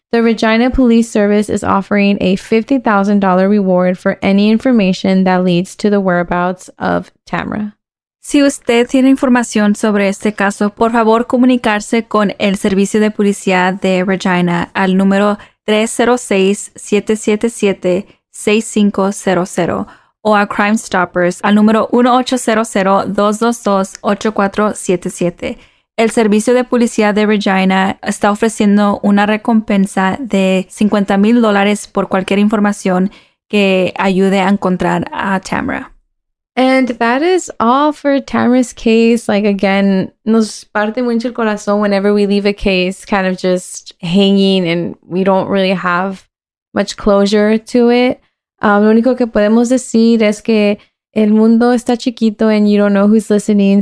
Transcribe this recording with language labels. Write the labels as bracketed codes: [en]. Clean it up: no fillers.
[en] The Regina Police Service is offering a $50,000 reward for any information that leads to the whereabouts of Tamra. [es] Si usted tiene información sobre este caso, por favor comunicarse con el Servicio de Policía de Regina al número 306-777-6500 o a Crime Stoppers al número 1-800-222-8477. El Servicio de Policía de Regina está ofreciendo una recompensa de $50,000 por cualquier información que ayude a encontrar a Tamra. [en] And that is all for Tamra's case. Like, again, [es] nos parte mucho el corazón [en] whenever we leave a case kind of just hanging and we don't really have much closure to it. [es] Lo único que podemos decir es que el mundo está chiquito [en] and you don't know who's listening.